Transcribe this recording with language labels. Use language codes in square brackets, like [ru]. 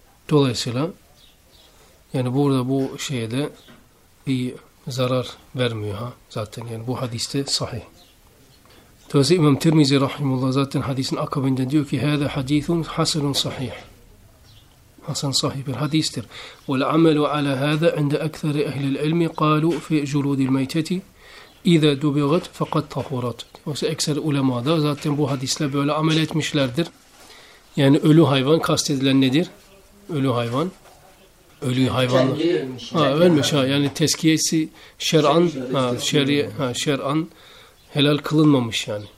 [tr] Dolayısıyla yani burada bu şeye de bir zarar vermiyor ha zaten yani bu hadiste sahih. Tevzi İmam Tirmizi rahimullah zaten hadisin akabinde diyor ki [ar] هذا حديث حسن صحيح. [tr] Hasan sahih bir hadistir. [ar] والعمل على هذا عند أكثر أهل العلم قالوا في جلود الميتة إذا دبغت فقد طهرت. [tr] Ekser ulema da zaten bu hadisle böyle amel etmişlerdir. Yani ölü hayvan kastedilen nedir? Ölü hayvan. Ölü hayvanlar. Ölmüş ha. Yani tezkiyesi şer'an şer'an helal kılınmamış yani.